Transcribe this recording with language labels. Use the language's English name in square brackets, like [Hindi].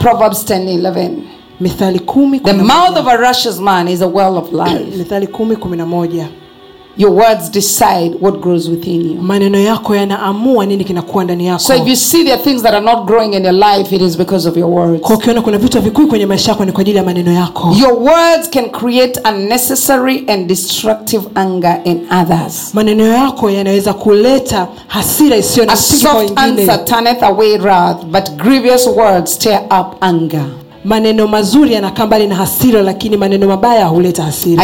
[English] Proverbs 10:11. [Swahili] Methali 10:11. [English] The mouth of a righteous man is a well of life. [Swahili] Methali 10:11. [English] Your words decide what grows within you. [Swahili] Maneno yako yanaamua nini kinakuwa ndani yako. [English] So if you see there are things that are not growing in your life, it is because of your words. [Swahili] Kwa kiona kuna vitu vikui kwenye maisha yako ni kwa ajili ya maneno yako. [English] Your words can create unnecessary and destructive anger in others. [Swahili] Maneno yako yanaweza kuleta hasira isiyo na msingi kwa wengine. [English] A soft answer turneth away wrath, but grievous words stir up anger. [Swahili] Maneno mazuri yanakaa mbali na hasira, lakini maneno mabaya huleta hasira.